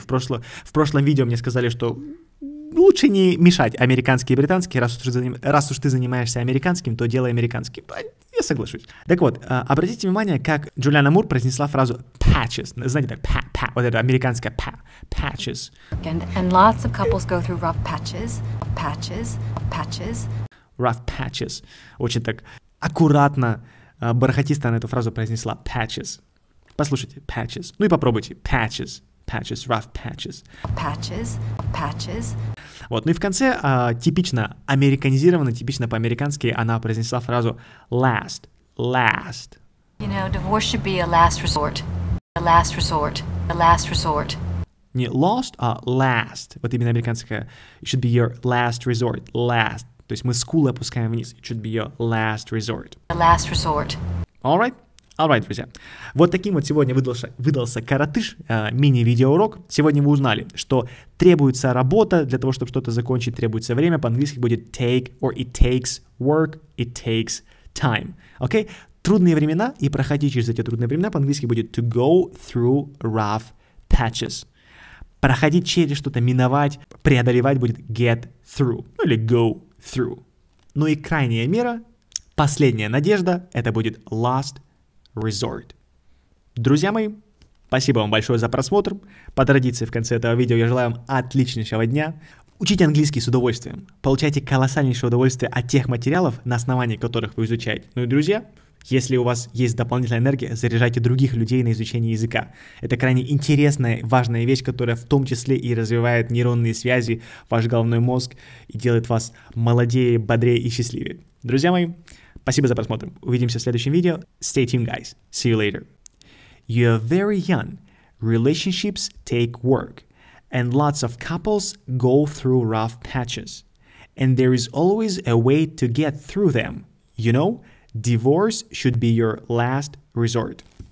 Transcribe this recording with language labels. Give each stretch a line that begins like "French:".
Russian: В прошлом видео мне сказали, что лучше не мешать американский и британский, раз уж ты занимаешься американским, то делай американский. Я соглашусь. Так вот, обратите внимание, как Джулиана Мур произнесла фразу patches. Знаете, так, па, вот это американское па, patches.
English: And lots of couples go through rough patches, patches, patches.
Russian: Rough patches. Очень так... аккуратно, бархатисто она эту фразу произнесла.
English: Patches.
Russian: Послушайте, patches.
English: Ну и попробуйте. Patches. Patches. Rough patches. Patches. Patches.
Russian: Вот, ну и в конце типично американизированно, типично по-американски она произнесла фразу last.
English: Last. You know, divorce should be a last resort. A last resort. A last resort. Не lost, а last.
Russian: Вот именно американское.
English: It should be your last resort. Last.
Russian: То есть мы school опускаем вниз.
English: It should be your last resort. The last resort. Alright?
Russian: Alright, друзья. Вот таким вот сегодня выдался коротыш, мини-видеоурок. Сегодня вы узнали, что требуется работа для того, чтобы что-то закончить, требуется время. По-английски будет
English: take or it takes work, it takes time.
Russian: Окей? Okay? Трудные времена, и проходить через эти трудные времена по-английски будет to go through rough patches. Проходить через что-то, миновать, преодолевать будет get through, ну или go through. Ну и крайняя мера, последняя надежда, это будет last resort. Друзья мои, спасибо вам большое за просмотр. По традиции в конце этого видео я желаю вам отличнейшего дня. Учите английский с удовольствием. Получайте колоссальнейшее удовольствие от тех материалов, на основании которых вы изучаете. Ну и друзья, если у вас есть дополнительная энергия, заряжайте других людей на изучение языка. Это крайне интересная, важная вещь, которая в том числе и развивает нейронные связи, ваш головной мозг и делает вас молодее, бодрее и счастливее. Друзья мои, спасибо за просмотр. Увидимся в следующем видео.
English: Stay tuned, guys. See you later. You are very young. Relationships take work. And lots of couples go through rough patches. And there is always a way to get through them. You know, divorce should be your last resort.